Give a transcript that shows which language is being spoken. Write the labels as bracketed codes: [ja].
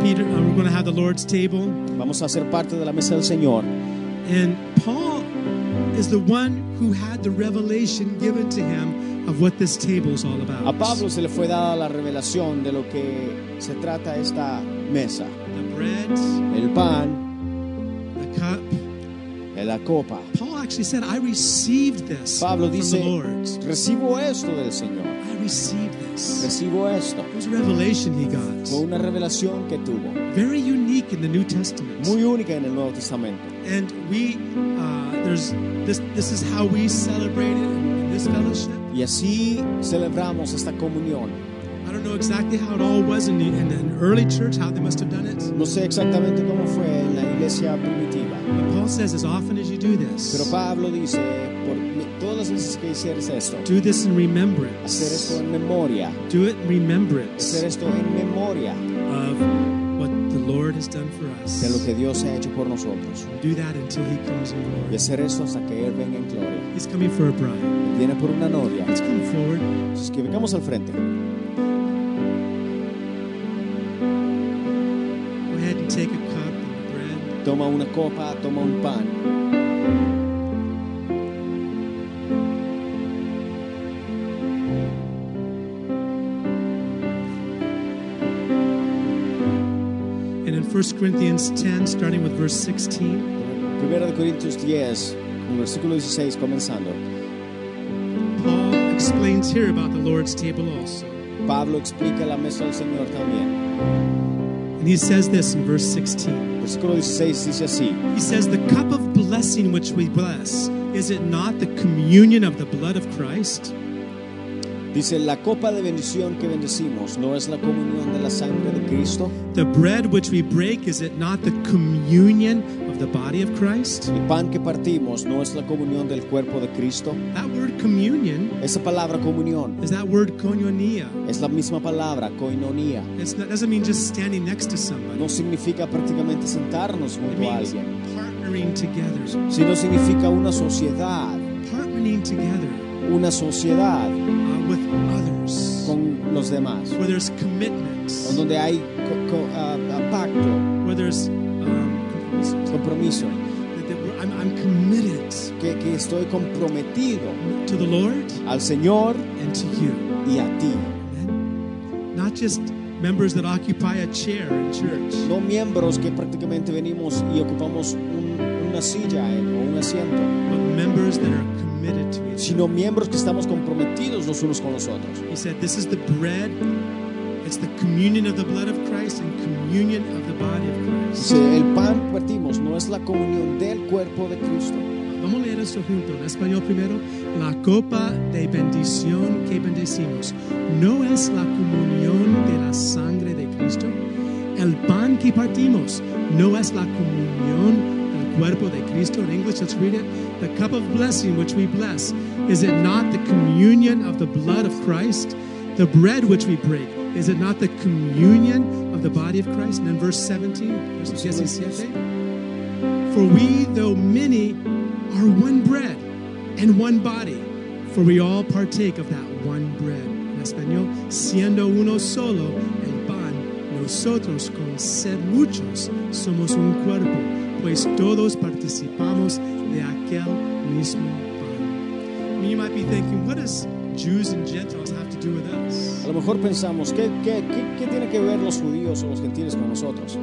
[en] Peter, we're going to have the Lord's table. [es] Vamos a ser parte de la mesa del Señor. [en] And Paul is the one who had the revelation given to him of what this table is all about. [es] A Pablo se le fue dada la revelación de lo que se trata esta mesa. [en] The bread, [es] el pan, [en] the cup, [es] la copa. [en] Paul actually said, "I received this [es] Pablo [en] from [es] dice, [en] the Lord." [es] Recibo esto del Señor. [en] I received this. [es] Recibo esto. [en] It was a revelation he got. [es] Fue una revelación que tuvo. [en] Very unique in the New Testament. [es] Muy única en el Nuevo Testamento. [en] And we, there's this. This is how we celebrate it in this fellowship. [es] Y así celebramos esta comunión. [en] I don't know exactly how it all was in the early church, how they must have done it. [es] No sé exactamente cómo fue en la iglesia primitiva. [en] But Paul says, as often as you do this, [es] pero Pablo dice, por todas las veces que hicieres esto, [en] do this in remembrance. [es] Hacer esto en memoria. [en] Do it in remembrance. [es] Hacer esto en memoria. [en] Of what the Lord has done for us. [es] De lo que Dios ha hecho por nosotros. [en] Do that until He comes in glory. [es] Y hacer esto hasta que Él venga en gloria. [en] He's coming for a bride. [es] Viene por una novia. [en] Let's come forward. [es] Entonces, que vengamos al frente. [en] Take a cup and bread. [es] Toma una copa, toma un pan. [en] And in 1 Corinthians 10, starting with verse 16. [es] Primera de Corintios 10, con versículo 16, comenzando. [en] Paul explains here about the Lord's table also. [es] Pablo explica la mesa del Señor también. [en] And he says this in verse 16. [es] Versículo 16 dice así. [en] He says, "The cup of blessing which we bless, is it not the communion of the blood of Christ?" [es] Dice, la copa de bendición que bendecimos, ¿no es la comunión de la sangre de Cristo? [en] "The bread which we break, is it not the communion of the body of Christ?" [es] El pan que partimos, ¿no es la comunión del cuerpo de Cristo? [en] That word communion, [es] esa palabra comunión, [en] is that word koinonia. [es] Es la misma palabra, koinonia. [en] It doesn't mean just standing next to somebody. [es] No significa prácticamente sentarnos junto a alguien. [en] It means partnering together. [es] Sino significa una sociedad. [en] Partnering together. [es] Una sociedad. [en] With others, [es] con los demás, [en] where there's commitments, [es] o donde hay pacto, [en] where there's [es] compromiso, [en] I'm committed, [es] que estoy comprometido, [en] to the Lord, [es] al Señor, [en] and to you, [es] y a ti, [en] amen? Not just members that occupy a chair in church, [es] no miembros que prácticamente venimos y ocupamos una silla o un asiento, [en] but members that are committed to each other, [es] sino miembros que estamos comprometidos los unos con los otros. [en] He said, "This is the bread. It's the communion of the blood of Christ and communion of the body of Christ." [es] Dice, el pan que partimos no es la comunión del cuerpo de Cristo. Vamos a leer esto junto en español primero. La copa de bendición que bendecimos no es la comunión de la sangre de Cristo. El pan que partimos no es la comunión cuerpo de Cristo. [en] In English, let's read it. "The cup of blessing which we bless, is it not the communion of the blood of Christ? the bread which we break, is it not the communion of the body of Christ? And then verse 17, verse 17. For we, though many, are one bread and one body, for we all partake of that one bread. [es] En español, siendo uno solo el pan, nosotros con ser muchos somos un cuerpo, pues todos participamos de aquel mismo pan. [en] And you might be thinking, what does Jews and Gentiles have to do with us? [es] A lo mejor pensamos, ¿qué tiene que ver los judíos o los gentiles con nosotros?